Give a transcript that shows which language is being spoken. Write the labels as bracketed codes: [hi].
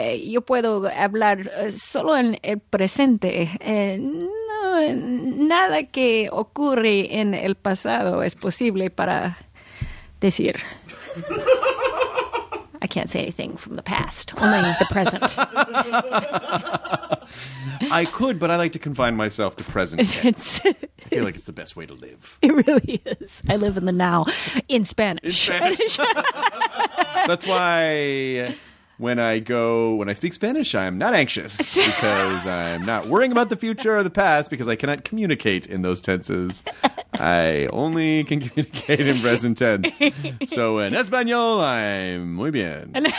[es] Yo puedo hablar solo en el presente. No, nada que ocurre en el pasado es posible para. [en] This year. I can't say anything from the past, only the present. I could, but I like to confine myself to present. It's, I feel like it's the best way to live. It really is. I live in the now. In Spanish. In Spanish. That's why when I speak Spanish, I am not anxious, because I'm not worrying about the future or the past, because I cannot communicate in those tenses. I only can communicate in present tense. So in Espanol, I'm [es] muy bien.